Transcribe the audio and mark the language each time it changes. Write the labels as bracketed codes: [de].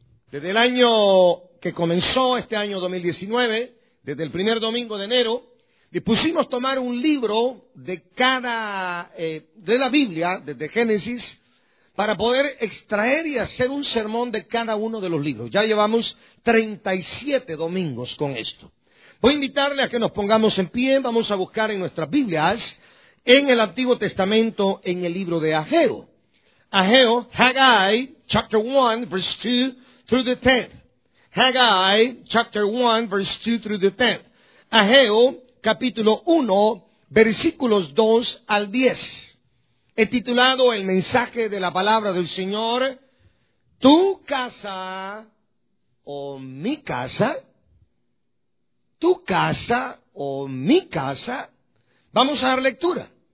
[es] Desde el año que comenzó, este año 2019, desde el primer domingo de enero, dispusimos tomar un libro de cada de la Biblia, desde Génesis, para poder extraer y hacer un sermón de cada uno de los libros. Ya llevamos 37 domingos con esto. Voy a invitarle a que nos pongamos en pie, vamos a buscar en nuestras Biblias, en el Antiguo Testamento, en el libro de Ageo. [en] Ageo, Haggai, chapter 1, verse 2 through the 10th. Haggai, chapter 1, verse 2 through the 10th. [es] Ageo, capítulo 1, versículos 2 al 10. He titulado el mensaje de la palabra del Señor, tu casa o mi casa, tu casa o mi casa. Vamos a dar lectura.